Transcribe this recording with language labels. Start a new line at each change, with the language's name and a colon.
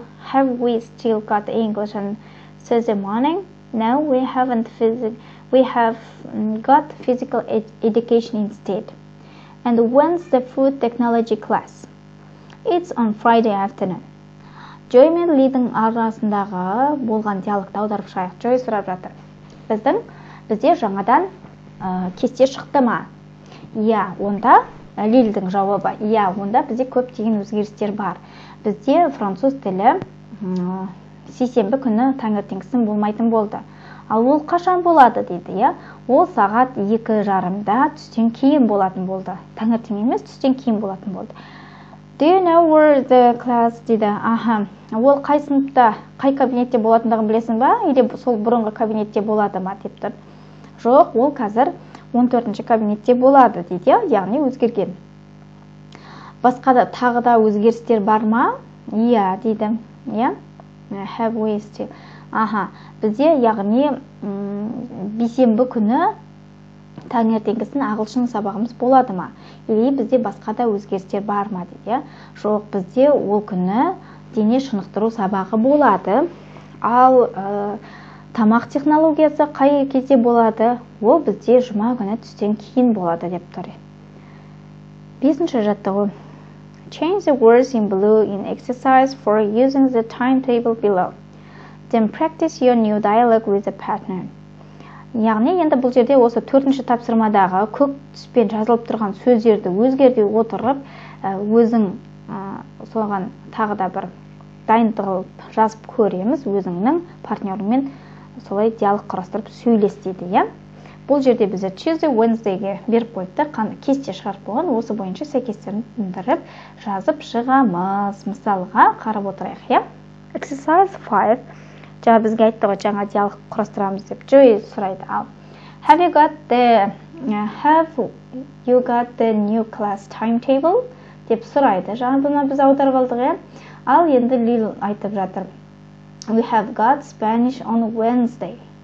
English: Have we still got English on Thursday morning? No, we haven't. We have got physical education instead. And when's the food technology class? It's on Friday afternoon.
Kazakh: Joy мен Lee-дің арасындағы болған диалогты аударып шығайық. Joy сұрап жатыр. Бізде жаңадан кесте шықты ма? Иә, онда Lee-дің жауабы. Иә, онда бізде көп деген өзгерістер бар. Бізде француз тілі сейсенбі күні таңертеңгісін болмайтын болды. Ал ол қашан болады дейді, иә? Ол сағат 2:30-да түстен кейін болатын болды. Таңертең емес, түстен кейін болатын болды.
English: Do you know where the class
Kazakh: дейді? Аха, ол қай сыныпта, қай кабинетте болатындығын білесің ба? Или сол бұрынғы кабинетте болады ма деп тұр. Жоқ, ол қазір 14-ші кабинетте болады дейді, яғни өзгерген. Басқа да тағы да өзгерістер бар ма? Иә, дейді. Иә?
English: Have we still?
Kazakh: Аха, бізде яғни бейсенбі күні таңертеңгісін ағылшын сабағымыз болады ма? Или бізде басқа да өзгерістер бар ма дейді, иә? Жоқ, бізде ол күні дене шынықтыру сабағы болады. Ал тамақ технологиясы қай кезде болады? Ол бізде жұма күні түстен кейін болады деп тұр. 5-ші жаттығу.
English: Change the words in blue in exercise for using the timetable below. Then practice your new dialogue with the pattern.
Kazakh: Яғни енді бұл жерде осы 4-ші тапсырмадағы көк түспен жазылып тұрған сөздерді өзгерте отырып, өзің соған тағы да бір дайындығылып жазып көреміз, өзіңнің партнерімен солай диалог құрастырып сөйлестейді, иә? Бұл жерде бізде Tuesday, Wednesday-ге беріп қойыпты, кесте шығарып болған, осы бойынша сәйкестендіріп жазып шығамыз. Мысалға қарап отырайық, иә?
English: Exercise 5.
Kazakh: Жаңа бізге айтты ғой, жаңа диалог құрастырамыз деп. Joy сұрайды. Ал
English: Have you got the new class timetable?
Kazakh: Деп сұрайды. Жаңа бұны біз аударып алдық, иә? Ал енді Lil айтып жатыр.
English: We have got Spanish on Wednesday.